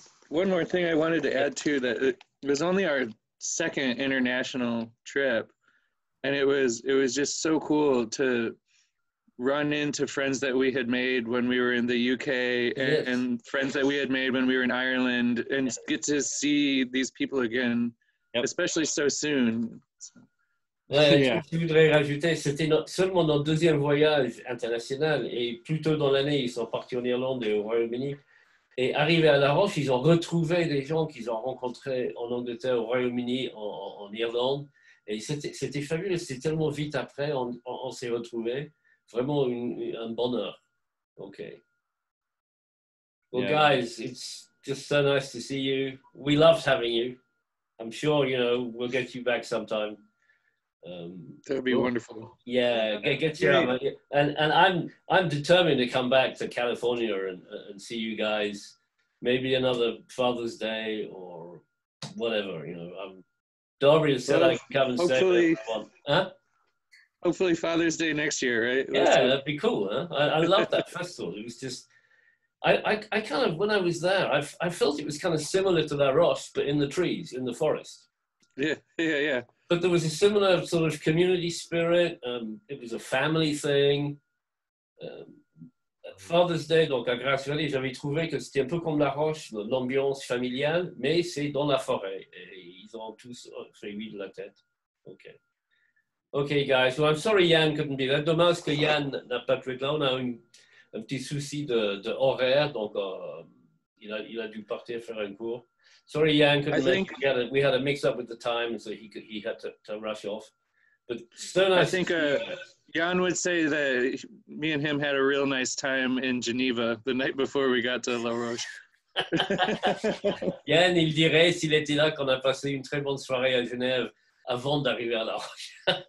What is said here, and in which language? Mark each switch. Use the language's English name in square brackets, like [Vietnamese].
[English] One more thing I wanted to add too, that it was only our second international trip. And it was just so cool to run into friends that we had made when we were in the UK and friends that we had made when we were in Ireland and get to see these people again, especially so soon. [French] Je voudrais rajouter, c'était seulement notre deuxième voyage international et plus tôt dans l'année, ils sont partis en Irlande et au Royaume-Uni. Et arrivés à La Roche, ils ont retrouvé des gens qu'ils ont rencontrés en Angleterre, au Royaume-Uni, en Irlande. Et c'était fabuleux, c'était tellement vite après, on s'est retrouvés. Vraiment un bonheur. OK. [English] Well, guys, it's just so nice to see you. We loved having you. I'm sure, you know, we'll get you back sometime. That would be wonderful. Yeah, get you out. And I'm determined to come back to California and see you guys. Maybe another Father's Day or whatever, you know. Dorian said I can come and say that. Hopefully Father's Day next year, right? Yeah, that'd be cool, huh? I love that festival. It was just, I kind of, when I was there, I felt it was kind of similar to La Roche, but in the trees, in the forest. Yeah. But there was a similar sort of community spirit. It was a family thing. [French] Father's Day, donc à Grass Valley, j'avais trouvé que c'était un peu comme La Roche, l'ambiance familiale, mais c'est dans la forêt. Et ils ont tous fait oui de la tête. [English] Okay, guys. Well, I'm sorry Yann couldn't be there. [French] Dommage que Yann n'a pas pu être là. On a un petit souci de horaire, donc il a dû partir faire un cours. [English] Sorry Yann couldn't make it. We had a mix up with the time, so he had to rush off. But so nice. I think Jan would say that me and him had a real nice time in Geneva the night before we got to La Roche. [French] Yann, il dirait, s'il était là, qu'on a passé une très bonne soirée à Genève avant d'arriver à La Roche.